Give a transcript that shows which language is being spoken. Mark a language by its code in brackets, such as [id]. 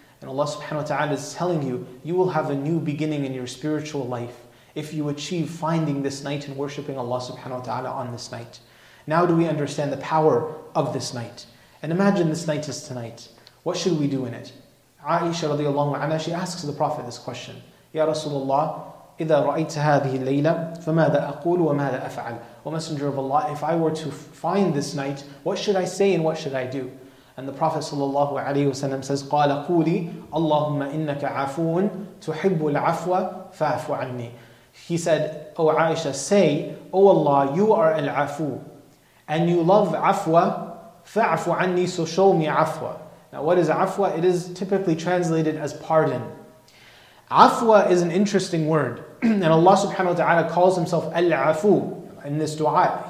[en] And Allah subhanahu wa ta'ala is telling you, you will have a new beginning in your spiritual life if you achieve finding this night and worshipping Allah subhanahu wa ta'ala on this night. Now do we understand the power of this night? And imagine this night is tonight. What should we do in it? Aisha radiallahu anha, she asks the Prophet this question. [ar] Ya Rasulullah, إِذَا رَأَيْتَ هَذِهِ اللَّيْلَ فَمَاذَا أَقُولُ وَمَاذَا أَفْعَلُ. [en] O Messenger of Allah, if I were to find this night, what should I say and what should I do? [ar] And the Prophet ﷺ says, قَالَ قُولِي أَلَّهُمَّ إِنَّكَ عَفُونَ تُحِبُّ الْعَفْوَ فَعْفُ عَنِّي. [en] He said, O Aisha, say, O Allah, you are al-afu, and you love afwa, fa'afu anni, so show me afwa. Now what is afwa? It is typically translated as pardon. Afwa is an interesting word, and Allah subhanahu wa ta'ala calls himself al-afu in this dua.